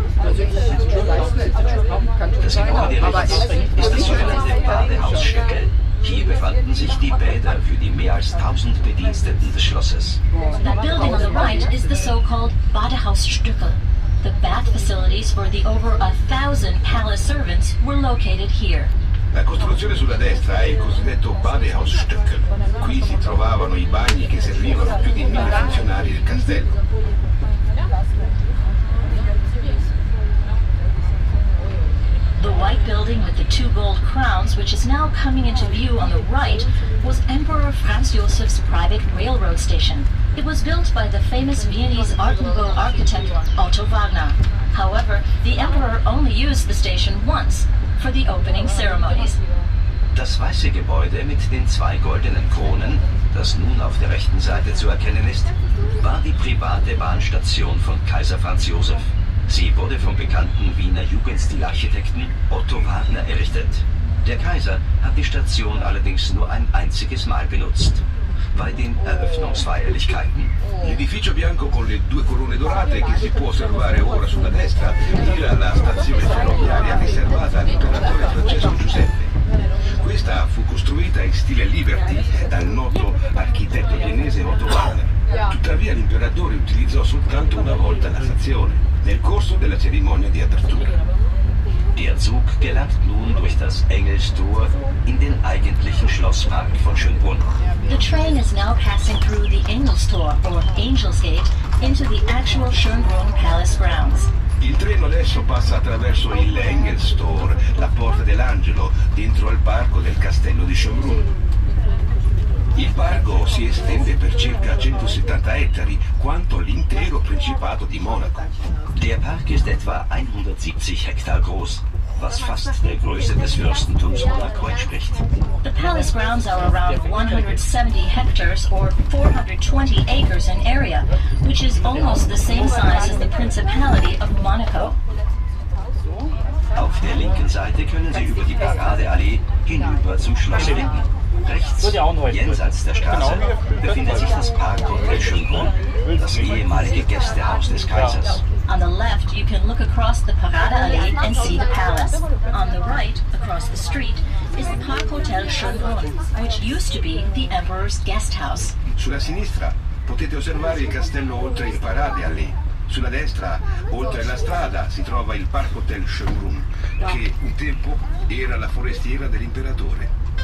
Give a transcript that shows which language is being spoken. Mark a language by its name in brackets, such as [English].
[German] Das Gebäude rechts ist das sogenannte Badehaus Schöckel. Hier befanden sich die Bäder für die mehr als 1000 Bediensteten des Schlosses. [English] The building on the right is the so-called Badehaus Schöckel. The bath facilities for the over 1000 palace servants were located here. [Italian] La costruzione sulla destra è il cosiddetto Badehaus Schöckel. Qui si trovavano i bagni che servivano più di 1000 funzionari del castello. [English] The white building with the two gold crowns, which is now coming into view on the right, was Emperor Franz Joseph's private railroad station. It was built by the famous Viennese Art Nouveau architect Otto Wagner. However, the emperor only used the station once for the opening ceremonies. [German] Das weiße Gebäude mit den zwei goldenen Kronen, das nun auf der rechten Seite zu erkennen ist, war die private Bahnstation von Kaiser Franz Joseph. Sie wurde vom bekannten Wiener Jugendstilarchitekten Otto Wagner errichtet. Der Kaiser hat die Station allerdings nur ein einziges Mal benutzt. Bei den Eröffnungsfeierlichkeiten. [Italian] L'edificio bianco con le due corone dorate che si può osservare ora sulla destra era la stazione ferroviaria riservata all'imperatore Francesco Giuseppe. Questa fu costruita in stile Liberty dal noto architetto viennese Otto Wagner. Tuttavia l'imperatore utilizzò soltanto una volta la stazione, nel corso della cerimonia di apertura. [German] Der Zug gelangt nun durch das Engelstor in den eigentlichen Schlosspark von Schönbrunn. [English] The train is now passing through the Engelstor, or Angel's Gate, into the actual Schönbrunn Palace grounds. [Italian] Il treno adesso passa attraverso il Engelstor, la porta dell'angelo, dentro al parco del castello di Schönbrunn. Il parco si estende per circa 170 ettari, quanto l'intero Principato di Monaco. [German] Der Park ist etwa 170 Hektar groß. was fast der Größe des Fürstentums Monaco entspricht. [English] The palace grounds are around 170 hectares or 420 acres in area, which is almost the same size as the Principality of Monaco. [German] Auf der linken Seite können Sie über die Paradeallee hinüber zum Schloss blicken. Rechts, jenseits der Straße, befindet sich das Park Hotel Schönbrunn, das ehemalige Gästehaus des Kaisers. [English] On the left, you can look across the Paradeallee and see the palace. On the right, across the street, is the Park Hotel Schönbrunn, which used to be the Emperor's Guesthouse. [Italian] Sulla sinistra, potete osservare il castello oltre il Paradeallee. Sulla destra, oltre la strada, si trova il Park Hotel Schönbrunn, che un tempo era la forestiera dell'imperatore.